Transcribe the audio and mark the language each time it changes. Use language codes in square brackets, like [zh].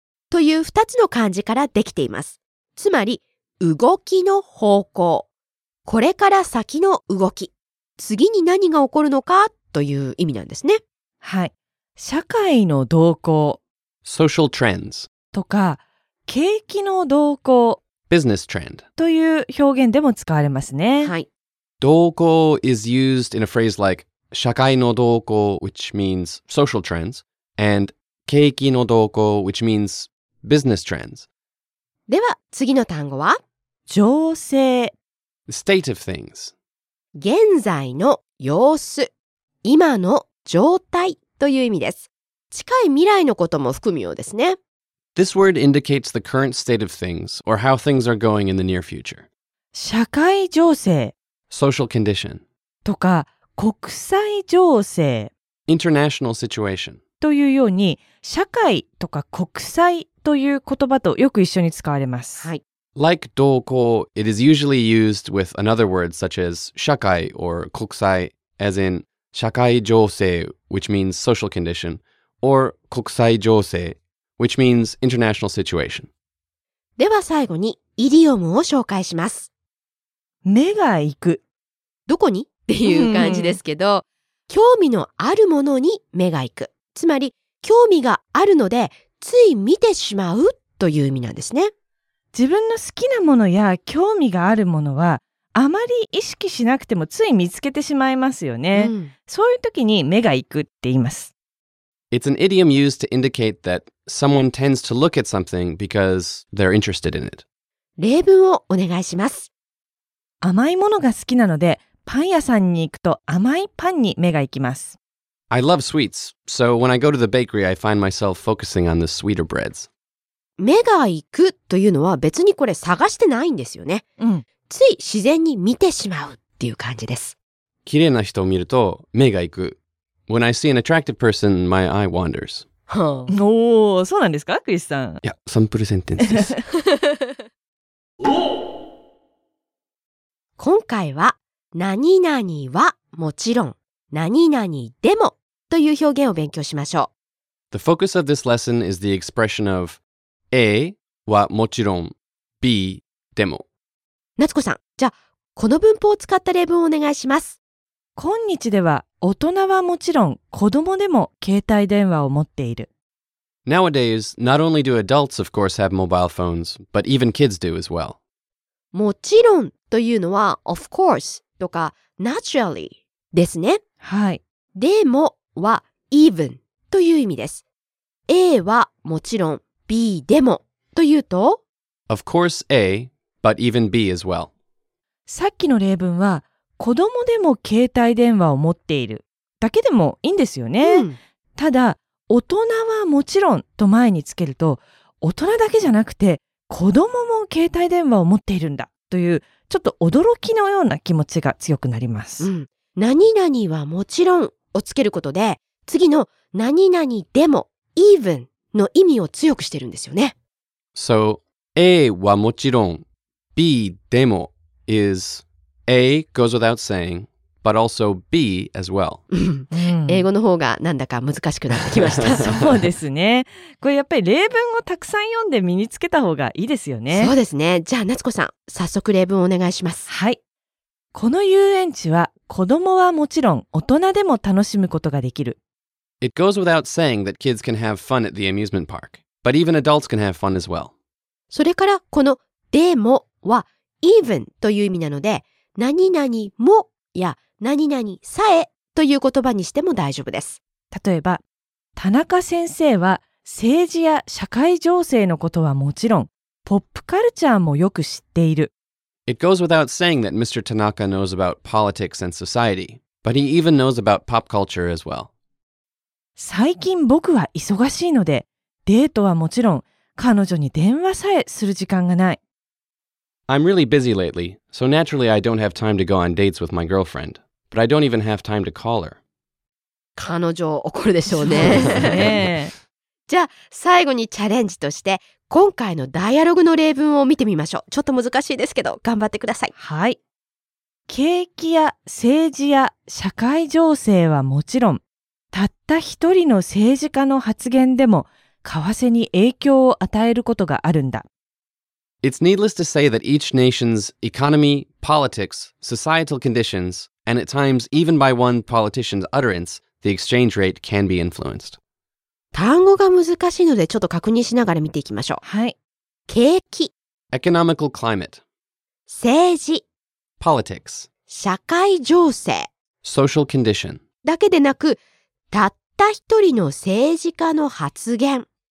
[ja] という2つの漢字からできています。つまり動きの方向、これから先の動き、次に何が起こるのかという意味なんですね。はい、社会の動向、 [en] social trends [ja] とか景気の動向、 [en] business trend [ja] という表現でも使われますね。はい、 [en] 動向 is used in a phrase like [ja] 社会の動向 [en] which means social trends, and [ja] 景気の動向 [en] which means business trends. [ja] では次の単語は情勢、 [en] state of things、 [ja] 現在の様子、今の状態という意味です。近い未来のことも含むようですね。 [en] This word indicates the current state of things or how things are going in the near future. [ja] 社会情勢、 [en] social condition [ja] とか国際情勢、 [en] international situation [ja] というように、社会とか国際という言葉とよく一緒に使われます。はい、 [en] like 動向、 it is usually used with another word such as 社会 or 国際 as in 社会情勢 which means social condition or 国際情勢 which means international situation。 [ja] では最後にイディオムを紹介します。目が行く、どこにっていう感じですけど、興味のあるものに目が行く、つまり興味があるのでつい見てしまうという意味なんですね。自分の好きなものや興味があるものはあまり意識しなくてもつい見つけてしまいますよね、うん、そういう時に目が行くって言います。 [en] It's an idiom used to indicate that someone tends to look at something because they're interested in it. [ja] 例文をお願いします。甘いものが好きなので、パン屋さんに行くと甘いパンに目が行きます。 [en] I love sweets, so when I go to the bakery, I find myself focusing on the sweeter breads. [ja] 目が行くというのは別にこれ探してないんですよね。うん。つい自然に見てしまうっていう感じです。綺麗な人を見ると目が行く。 [en] When I see an attractive person, my eye wanders. [ja] おお、そうなんですか、クリスさん。いや、サンプルセンテンスです。今回は、何々はもちろん、何々でもという表現を勉強しましょう。 [en] The focus of this lesson is the expression of [ja] A はもちろん、B でも。夏子さん、じゃあ、この文法を使った例文をお願いします。今日では、大人はもちろん、子供でも携帯電話を持っている。 [en] Nowadays, not only do adults, of course, have mobile phones, but even kids do as well. [ja] もちろんというのは、 [en] of course [ja] とか naturally ですね。はい。でもは even という意味です。 A はもちろん、B でもというと、 [en] of course A, but even B as well. [ja] さっきの例文は、子供でも携帯電話を持っているだけでもいいんですよね、うん、ただ大人はもちろんと前につけると大人だけじゃなくて子供も携帯電話を持っているんだというちょっと驚きのような気持ちが強くなります、うん、何々はもちろんをつけることで次の何々でも even の意味を強くしてるんですよね [en] So [ja] A はもちろん B でも [en] isA goes without saying, but also B as well. [ja] 英語の方がなんだか難しくなってきました。そうですね。これやっぱり例文をたくさん読んで身につけた方がいいですよね。そうですね。じゃあ夏子さん、早速例文をお願いします。はい。この遊園地は子供はもちろん大人でも楽しむことができる。 [en] It goes without saying that kids can have fun at the amusement park, but even adults can have fun as well. [ja] それからこのでもは even という意味なので、何々もや何々さえという言葉にしても大丈夫です。例えば、田中先生は政治や社会情勢のことはもちろん、ポップカルチャーもよく知っている。 [en] It goes without saying that Mr. Tanaka knows about politics and society, but he even knows about pop culture as well. [ja] 最近僕は忙しいので、デートはもちろん、彼女に電話さえする時間がない。 [en] I'm really busy lately, so naturally I don't have time to go on dates with my girlfriend. But I don't even have time to call her. [ja] 彼女怒るでしょうね。じゃあ最後にチャレンジとして今回のダイアログの例文を見てみましょう。ちょっと難しいですけど頑張ってください。はい。景気や政治や社会情勢はもちろん、たった一人の政治家の発言でも為替に影響を与えることがあるんだ。 [en] It's needless to say that each nation's economy, politics, societal conditions, and at times even by one politician's utterance, the exchange rate can be influenced. [ja] 単語が難しいのでちょっと確認しながら見ていきましょう。はい。景気。 [en] Economical climate. [ja] 政治。 [en] Politics. [ja] 社会情勢。 [en] Social condition. [ja] だけでなく、たった一人の政治家の発言。